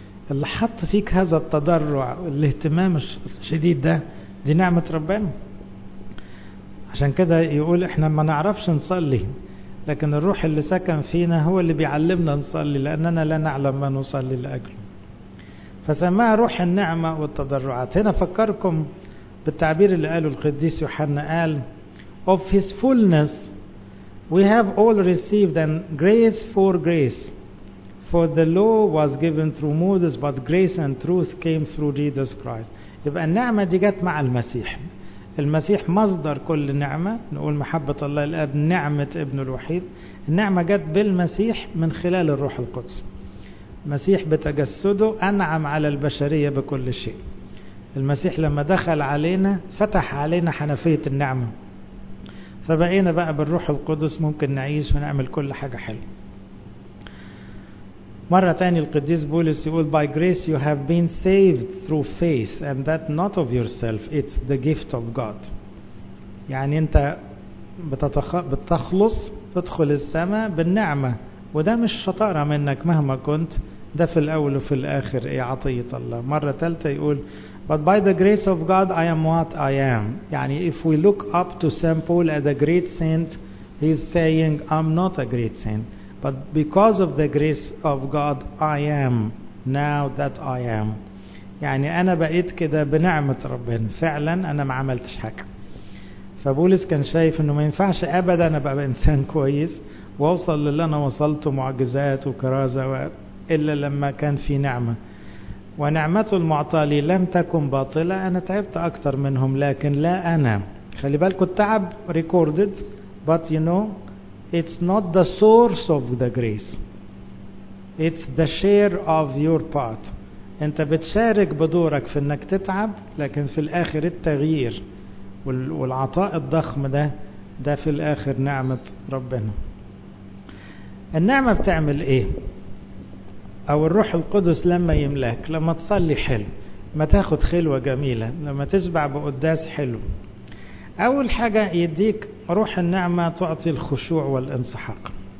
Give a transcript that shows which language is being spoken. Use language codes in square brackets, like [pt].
[ar] اللي حط فيك هذا التضرع والاهتمام الشديد ده، دي نعمة ربنا. عشان كده يقول احنا ما نعرفش نصلي، لكن الروح اللي سكن فينا هو اللي بيعلمنا نصلي، لاننا لا نعلم ما نصلي لاجله. فسماها روح النعمة والتضرعات. هنا فكركم بالتعبير اللي قاله القديس يوحنا، قال [en] of his fullness we have all received and grace for grace. For the law was given through Moses, but grace and truth came through Jesus Christ. [ar] يبقى النعمة دي جت مع المسيح. المسيح مصدر كل نعمة، نقول محبة الله الأب نعمة ابنه الوحيد. النعمة جت بالمسيح من خلال الروح القدس. المسيح بتجسده أنعم على البشرية بكل شيء. المسيح لما دخل علينا فتح علينا حنفية النعمة، فبقينا بقى بالروح القدس ممكن نعيش ونعمل كل حاجة حلوة. مرة تاني القديس بولس يقول [en] by grace you have been saved through faith and that not of yourself, it's the gift of God. [ar] يعني انت بتخلص، تدخل السماء بالنعمة، وده مش شطارة منك مهما كنت، ده في الاول وفي الاخر ايه؟ عطية الله. مرة تالتة يقول [en] but by the grace of God I am what I am. يعني if we look up to Saint Paul as a great saint, he's saying I'm not a great saint. But because of the grace of God, I am now that I am. [ar] يعني أنا بقيت كده بنعمة ربنا، فعلا أنا ما عملتش حاجة. فبولس كان شايف أنه ما ينفعش أبدا أنا بقى إنسان كويس ووصل للي أنا وصلت، معجزات وكرازة، إلا لما كان في نعمة. ونعمته المعطى لي لم تكن باطلة، أنا تعبت أكتر منهم لكن لا أنا. خلي بالك التعب [en] recorded but you know it's not the source of the grace. It's the share of your part. [ar] انت بتشارك بدورك في انك تتعب، لكن في الاخر التغيير والعطاء الضخم ده في الاخر نعمة ربنا. النعمة بتعمل ايه؟ او الروح القدس لما يملك، لما تصلي حلو، لما تاخد خلوة جميلة، لما تشبع بقداس حلو، اول حاجة يديك روح النعمة تعطي الخشوع والانسحاق.